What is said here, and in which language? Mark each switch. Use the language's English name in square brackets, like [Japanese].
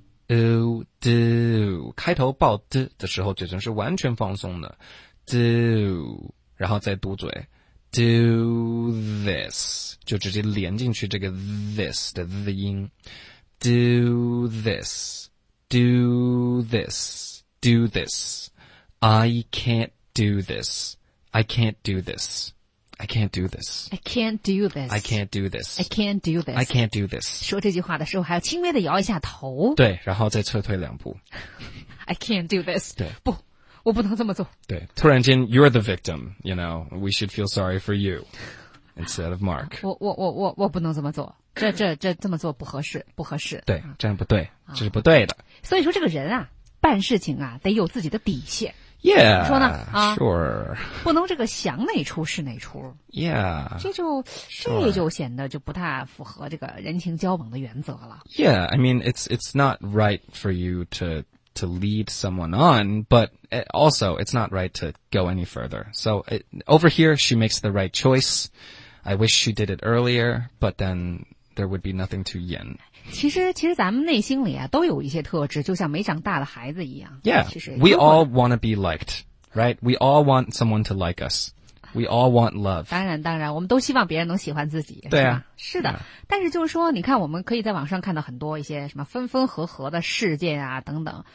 [English] do， [Chinese] 开头爆 d 的时候嘴唇是完全放松的 [English] do， [Chinese] 然后再嘟嘴 [English] do this， [Chinese] 就直接连进去这个 this 的 z 音 [English] do this do this do this I can't do this I can't do thisI can't do this. I can't do this. I can't do this. I can't do this. I can't do this. [Chinese] 说这句话的时候还要轻微的摇一下头。对，然后再撤退两步。 [English] I can't do this. [Chinese] 对。不，我不能这么做。 [English] 对，突然间 you're the victim, you know, we should feel sorry for you instead of Mark. [Chinese] 我不能这么做。这么做不合适，不合适。对，这样不对，这是不对的。所以说这个人啊，办事情啊，得有自己的底线。 [English] Yeah, [Chinese] 说呢、 [English] sure. [Chinese] 不能这个想哪出是哪出。 [English] Yeah, [Chinese] 这就显得就不太符合这个人情交往的原则了。 [English] Yeah, I mean, it's not right for you to lead someone on, but also it's not right to go any further. So over here, she makes the right choice. I wish she did it earlier, but then there would be nothing to yin. [Chinese] 其实咱们内心里啊都有一些特质，就像没长大的孩子一样。 [English] Yeah, we all want to be liked, right? We all want someone to like us. We all want love. [Chinese] 当然我们都希望别人能喜欢自己。对啊。是的。Yeah. 但是就是说你看我们可以在网上看到很多一些什么分分合合的事件啊等等。